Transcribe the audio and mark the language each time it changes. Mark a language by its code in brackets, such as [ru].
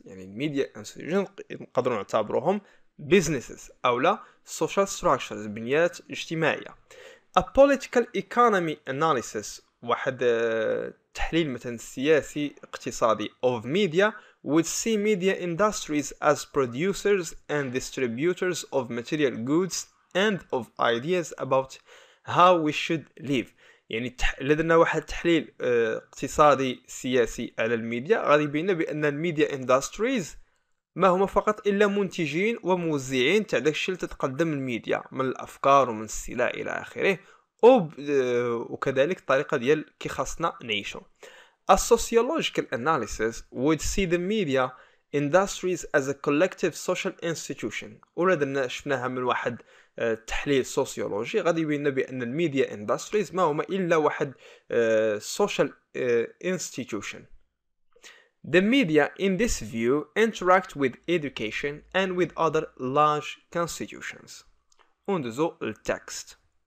[ar] يعني [en] media institutions [ar] نقدروا نعتبروهم businesses أو لا [en] social structures [ar] بنيات اجتماعية. [en] A political economy analysis [ar] واحد تحليل مثلا سياسي اقتصادي [en] of media would see media industries as producers and distributors of material goods and of ideas about how we should live. [ar] يعني لدينا واحد تحليل اقتصادي سياسي على الميديا غادي يبين بان الميديا اندستريز ما هما فقط الا منتجين وموزعين تاع داكشي اللي تتقدم الميديا من الافكار ومن السلع الى اخره وكذلك الطريقه ديال كي خاصنا نعيشو. [en] A sociological analysis would see the media industries as a collective social institution. [ar] ولدنا شفناها من واحد تحليل سوسيولوجي غادي يبين بان الميديا اندستريز ما هما الا واحد سوشيال انستيتيوشن. [en] The media in this view interact with education and with other large constitutions. [ar] وندوزو للتكست.